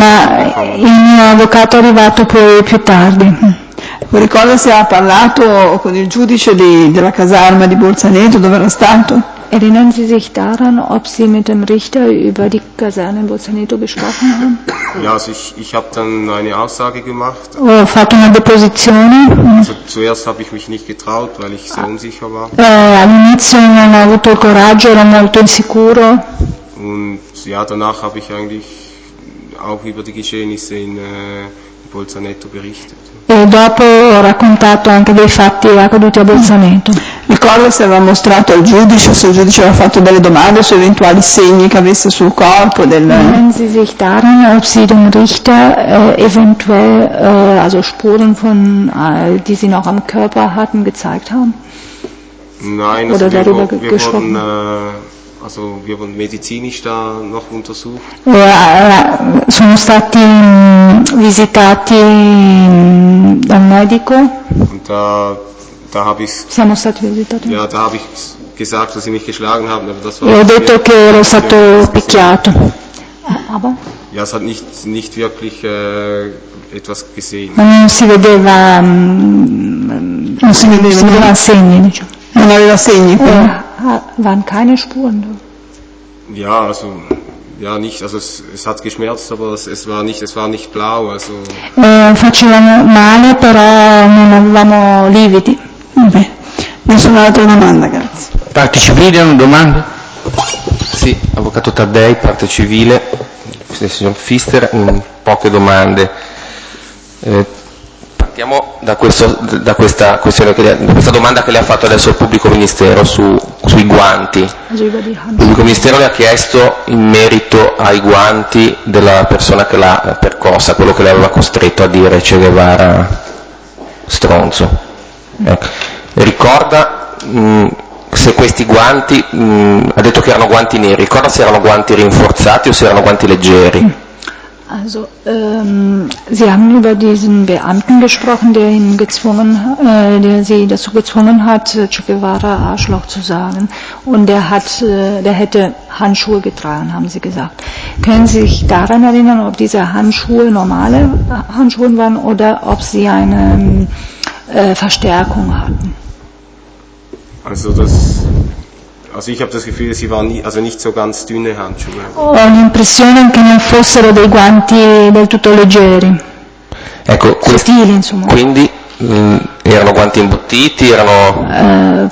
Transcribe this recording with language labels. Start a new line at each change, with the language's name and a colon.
Italian: Ma il mio avvocato è arrivato poi più tardi. Ricorda se ha parlato con il giudice della caserma di Bolzaneto, dove era stato?
German: Erinnern Sie sich daran, ob Sie mit dem Richter über die Kaserne in Bolzaneto gesprochen haben? Ja, also ich habe dann eine Aussage gemacht.
Italian: Ho fatto una deposizione.
German: Also zuerst habe ich mich nicht getraut, weil ich so unsicher war.
Italian: All'inizio non ho avuto il coraggio, ero molto insicuro.
German: Und ja, danach habe ich eigentlich auch über die Geschehnisse in Bolzaneto berichtet.
Italian: E dopo ho raccontato anche dei fatti accaduti a Bolzaneto. Ricordo se aveva mostrato al giudice, se il giudice aveva fatto delle domande su eventuali segni che avesse sul corpo del.
German: Erinnern Sie sich daran, ob Sie dem Richter eventuell also Spuren von die Sie noch am Körper hatten gezeigt haben? Nein, oder also darüber gesprochen? Also wir wurden medizinisch da noch untersucht.
Italian: Sono stati visitati dal medico.
German: Und da habe ich.
Italian: Siamo stati visitati.
German: Ja, da habe ich gesagt, dass sie mich geschlagen haben, aber das war.
Italian: Ho detto che ero stato picchiato.
German: Aber? Ja, es hat nicht wirklich etwas gesehen.
Italian: Ma non si vedeva. Non si vedeva segni, diciamo. Non aveva segni.
German: Waren keine Spuren da? Ja, also ja nicht, also es hat geschmerzt, aber es war nicht blau, also.
Italian: Facevamo male, però non avevamo lividi. Vabbè, nessuna altra domanda, grazie. Parte civile, una domanda? Sì, avvocato Taddei, parte civile, signor Pfister, poche domande. Partiamo da questa domanda che le ha fatto adesso il pubblico ministero sui guanti. Il pubblico ministero le ha chiesto in merito ai guanti della persona che l'ha percossa, quello che le aveva costretto a dire Che Guevara stronzo. Ricorda se questi guanti, ha detto che erano guanti neri, ricorda se erano guanti rinforzati o se erano guanti leggeri?
German: Also, Sie haben über diesen Beamten gesprochen, der ihn gezwungen, der Sie dazu gezwungen hat, Che Guevara Arschloch zu sagen. Und der hätte Handschuhe getragen, haben Sie gesagt. Können Sie sich daran erinnern, ob diese Handschuhe normale Handschuhe waren oder ob Sie eine Verstärkung hatten? Also ich habe das Gefühl, sie waren also nicht so ganz dünne Handschuhe.
Italian: Ho l'impressione che non fossero dei guanti del tutto leggeri. Ecco, sottili, insomma. Quindi erano guanti imbottiti, erano